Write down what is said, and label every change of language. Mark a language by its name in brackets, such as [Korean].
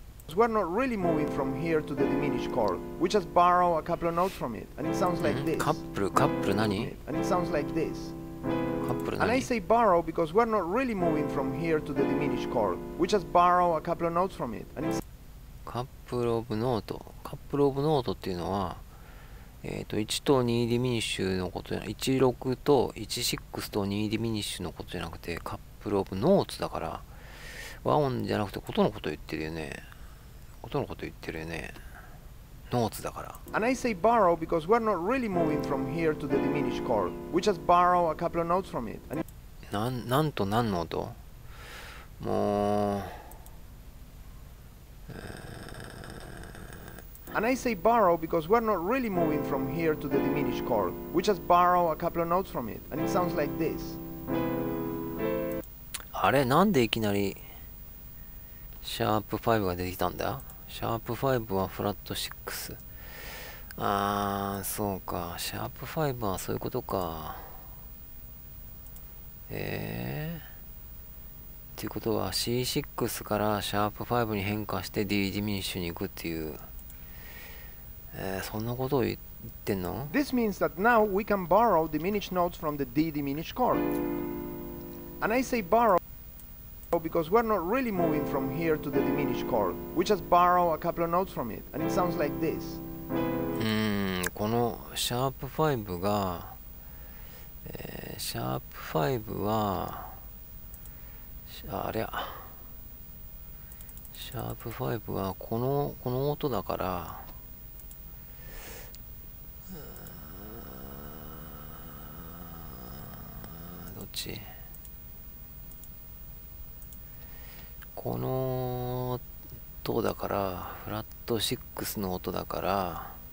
[English] We're not really moving from here to the diminished chord. We just borrow a couple of notes from it, and it sounds like this. [Japanese] カップル何？ [English] And it sounds like this. [Japanese] カップル何？ [English] And I say borrow because we're not really moving from here to the diminished chord. We just borrow a couple of notes from it, and it's カップルオブノート。 [Japanese] カップルオブノートっていうのは。1と2ディミニッシュのことじゃなくて、16と16と2ディミニッシュのことじゃなくて、カップルオブノーツだから、和音じゃなくて、ことのこと言ってるよね。ことのこと言ってるよね。ノーツだから。 [English] And I say borrow because we're not really moving from here to the diminished chord. We just borrow a couple of notes from it. [Japanese] なんと何の音？もう。 [English] And I say borrow because we're not really moving from here to the diminished chord. We just borrow a couple of notes from it, and it sounds like this. [Japanese] あれ、なんでいきなりシャープ5が出てきたんだ？シャープ5はフラット6。ああ、そうか。シャープ5はそういうことか。っていうことは C6 からシャープ5に変化して D ディミニッシュに行くっていう。そんなことを言ってんの？ [English] This means that now we can borrow diminished notes from the D diminished chord. And I say borrow because we're not really moving from here to the diminished chord. We just borrow a couple of notes from it. And it sounds like this. [Japanese] このシャープ5が、シャープ5は、ありゃ。シャープ5はこの音だから、この音だから、フラット6の音だから、